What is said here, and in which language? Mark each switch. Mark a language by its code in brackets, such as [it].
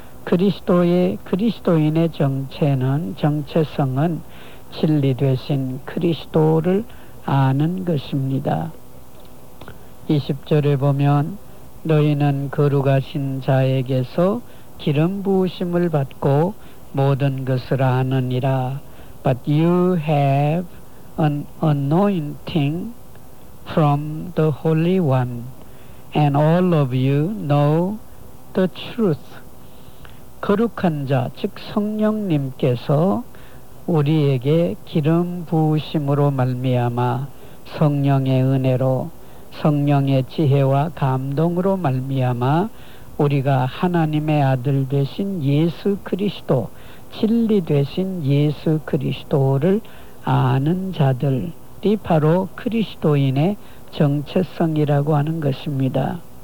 [ko] 그리스도인의 정체성은 진리 되신 그리스도를 아는 것입니다. 20절에 보면 너희는 거룩하신 자에게서 기름 부으심을 받고 모든 것을 아느니라. [en] But you have an anointing from the Holy One, and all of you know the truth. [ko] 거룩한 자, 즉 성령님께서 우리에게 기름 부으심으로 말미암아 성령의 은혜로 성령의 지혜와 감동으로 말미암아 우리가 하나님의 아들 되신 예수 그리스도, 진리 되신 예수 그리스도를 아는 자들이 바로 그리스도인의 정체성이라고 하는 것입니다.